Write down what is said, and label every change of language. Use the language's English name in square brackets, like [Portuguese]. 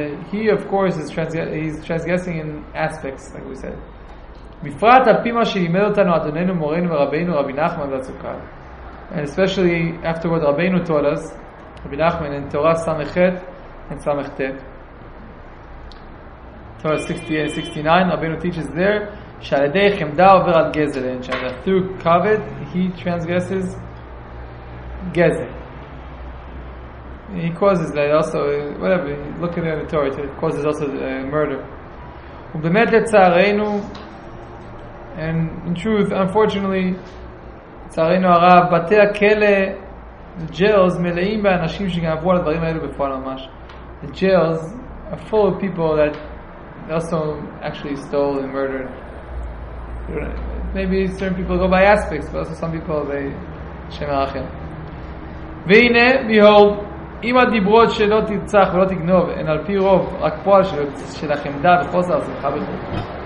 [English] He of course is transgressing in aspects, like we said. [Hebrew] בפרט על פי מה שלימד אותנו אדוננו מורנו ורבינו רבי נחמן והצוקל. [English] And especially after what רבינו told us, רבי נחמן in Torah סמכת and סמכתת. Torah 68-69, רבינו teaches there, [Hebrew] שעל ידי חמדה עובר על גזל, [English] and that through covet he transgresses גזל. He causes that also, whatever, look at the Torah, it causes also murder. [Hebrew] ובאמת לצערנו, [English] and in truth, unfortunately, [Hebrew] צערנו הרב, בתי הכלא, [English] the jails, [Hebrew] מלאים באנשים שגנבו על הדברים האלו בפועל ממש. [English] The jails are full of people that also actually stole and murdered. Maybe certain people go by aspects, but also some people, they [Hebrew] שם הרחם. והנה, [English] behold, [Hebrew] אם הדיברות שלא תרצח ולא תגנוב, הן על פי רוב, רק פועל של החמדה וחוסר הצלחה בכל.